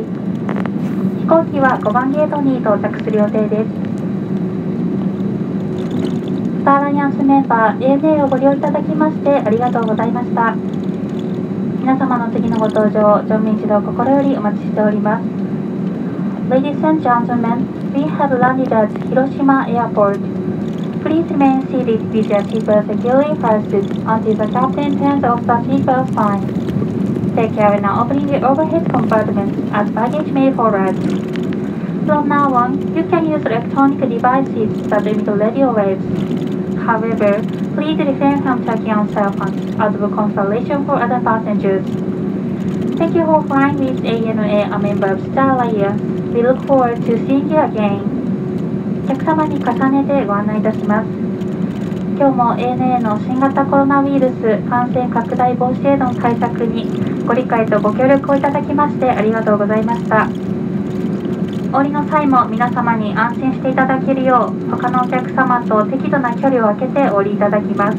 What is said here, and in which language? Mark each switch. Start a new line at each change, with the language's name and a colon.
Japanese: 飛行機は5番ゲートに到着する予定です。スターアライアンスメンバー ANA をご利用いただきましてありがとうございました。皆様の次のご搭乗を乗務一同心よりお待ちしております。
English: Ladies and gentlemen, we have landed at Hiroshima Airport. Please remain seated with your seatbelt securely fastened until the captain turns off the seatbelt sign. Take care now opening the overhead compartment as baggage may fall out. From now on, you can use electronic devices that emit radio waves. However, please refrain from checking on cell phones as a consolation for other passengers. Thank you for flying with ANA, a member of Star Alliance. We look forward to seeing you again.
Japanese: 客様に重ねてご案内いたします。今日も ANA の新型コロナウイルス感染拡大防止への対策にご理解とご協力をいただきましてありがとうございました。降りの際も皆様に安心していただけるよう、他のお客様と適度な距離を空けてお降りいただきます。